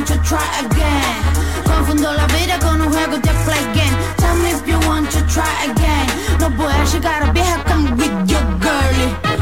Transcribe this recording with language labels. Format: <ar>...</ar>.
<en>Try again.</en> <es>Confundo la vida con un juego de play game.</es> <en>Tell me if you want to try again.</en> <es>No voy a llegar a vieja con video girly.</es>